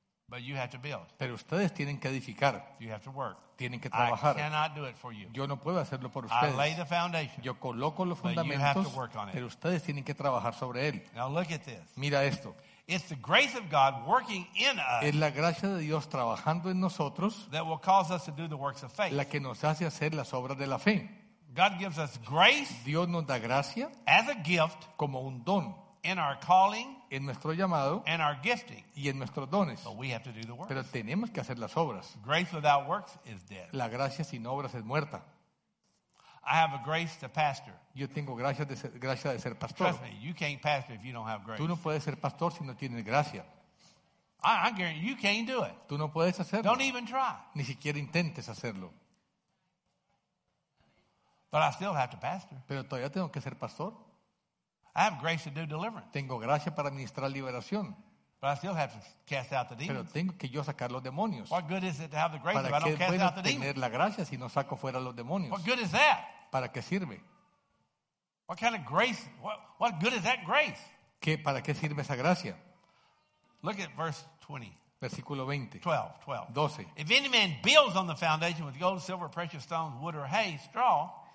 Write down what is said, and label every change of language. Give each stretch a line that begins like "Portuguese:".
English: But you have to build.
Spanish: Pero ustedes tienen que edificar.
English: You have to work.
Spanish: Tienen que trabajar.
English: I cannot do it for you.
Spanish: Yo no puedo hacerlo por ustedes.
English: I lay the foundation.
Spanish: Yo coloco los fundamentos.
English: But you have to work on it.
Spanish: Pero ustedes tienen que trabajar sobre él.
English: Now look at this.
Spanish: Mira esto.
English: It's the grace of God working in us.
Spanish: Es la gracia de Dios trabajando en nosotros.
English: That will cause us to do the works of faith.
Spanish: La que nos hace hacer las obras de la fe.
English: God gives us grace.
Spanish: Dios nos da gracia.
English: As a gift.
Spanish: Como un don.
English: In our calling.
Spanish: En nuestro llamado.
English: And our gifting.
Spanish: Y en nuestros dones.
English: But we have to do the works.
Spanish: Pero tenemos que hacer las obras.
English: Grace without works is dead.
Spanish: La gracia sin obras es muerta.
English: I have a grace to pastor.
Spanish: Yo tengo gracia de ser pastor.
English: Trust me, you can't pastor if you don't have grace.
Spanish: Tú no puedes ser pastor si no tienes gracia.
English: I guarantee you can't do it.
Spanish: Tú no puedes hacerlo.
English: Don't even try.
Spanish: Ni siquiera intentes hacerlo.
English: But I still have to pastor.
Spanish: Pero todavía tengo que ser pastor.
English: I have grace to do deliverance.
Spanish: Tengo gracia para administrar liberación.
English: But I still have to cast out the demons.
Spanish: Pero tengo que yo sacar los demonios.
English: What good is it to have the grace if I don't cast out the demons?
Spanish: ¿Para qué bueno tener la gracia si no saco fuera los demonios?
English: What good is that?
Spanish: ¿Para qué sirve?
English: What kind of grace? What good is that grace?
Spanish: ¿Qué, para qué sirve esa gracia?
English: Look at verse 20.
Spanish: Versículo 20.
English: 12.
Spanish: 12.
English: If any man builds on the foundation with gold, silver, precious stones, wood, or hay, straw.